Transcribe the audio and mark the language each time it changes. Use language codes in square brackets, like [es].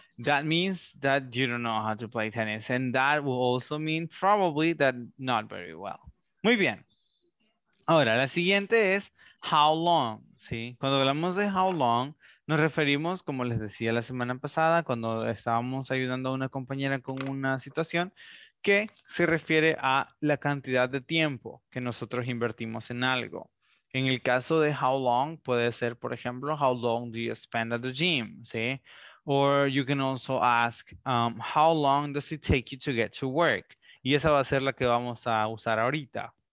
[en] That means that you don't know how to play tennis. And that will also mean probably that not very well. [es] Muy bien. Ahora, la siguiente es how long. ¿Sí? Cuando hablamos de how long, nos referimos, como les decía la semana pasada, cuando estábamos ayudando a una compañera con una situación, que se refiere a la cantidad de tiempo que nosotros invertimos en algo. En el caso de how long, puede ser, por ejemplo, [en] how long do you spend at the gym? [es] ¿Sí? [en] Or you can also ask, how long does it take you to get to work? [es] Y esa va a ser la que vamos a usar ahorita.